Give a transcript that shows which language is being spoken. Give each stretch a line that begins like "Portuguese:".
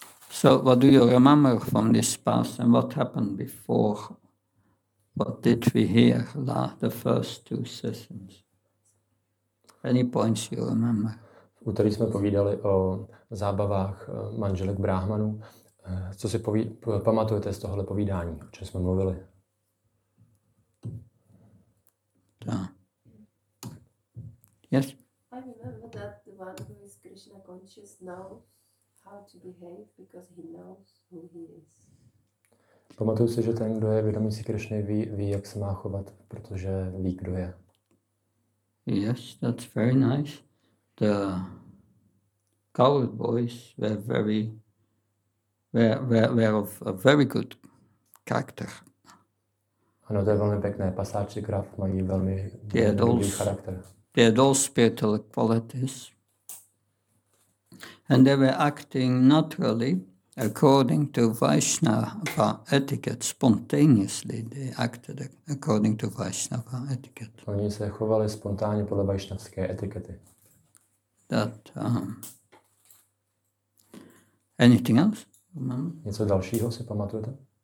English: So what do you remember from this pastime? What happened before? What did we hear the first two sessions? Any points you remember?
Czech: U kterých jsme povídali o zábavách manželek brahmanů. Co si pamatujete z tohle povídání, o čem jsme mluvili? Da.
English: Yes? I remember that the one who is Krishna conscious knows how to behave because he knows who he is.
Czech: Pamatuju si, že ten, kdo je vědomý si Krishna, ví, jak se má chovat, protože ví, kdo je.
English: Yes, that's very nice. The Coward boys were of a very good character.
Czech: Ano, to je velmi pěkné. Pasáči krav mají velmi dobrý charakter.
English: They had all spiritual qualities. And they were acting naturally according to Vaishnava etiquette, spontaneously they acted according to Vaishnava etiquette.
Czech: Oni se chovali spontánně podle vaishnavské etikety.
English: Anything else? Mm-hmm.
Czech: Něco dalšího si pamatujete?